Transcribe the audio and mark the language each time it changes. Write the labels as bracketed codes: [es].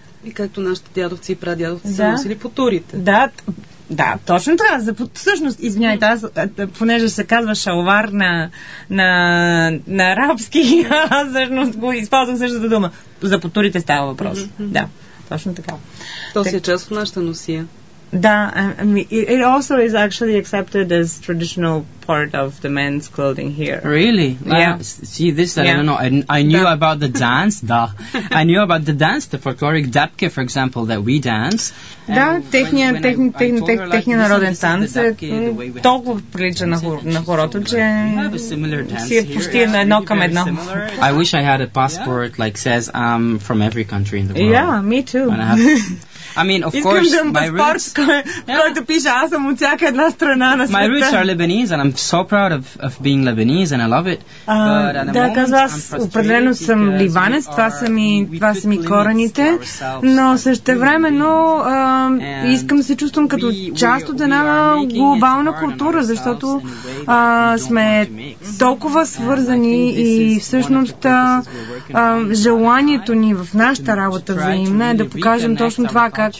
[bg] И както нашите дядовци и прадядовци са носили по турите. Да, да, точно това. За, всъщност, извинявайте, аз, понеже се казва шалвар на арабски, аз всъщност го използвам същата дума. За потурите става въпрос. Mm-hmm. Да, точно така. То си е част от нашата носия. [en] Да, it also is actually accepted as traditional part of the men's clothing here. Really? Yeah. See this, I don't know. I knew about the dance, da. I knew about the dance, the folkloric dapke, for example, that we dance. [bg] Да, техния народен танц е толкова прилича на хората, че си е почти едно към едно. [en] I wish I had a passport like says I'm from every country in the world. Yeah, me too. I mean, of course, my roots. [bg] Който пише, аз съм от всяка една страна на света. [en] My roots are Lebanese, and I'm so proud of being Lebanese, and I love it. [bg] Да, казва, определено съм ливанец, това са ми корените, но същевременно искам да се чувствам като част от една глобална култура, защото сме толкова свързани и всъщност желанието ни в нашата работа взаимна е да покажем точно това,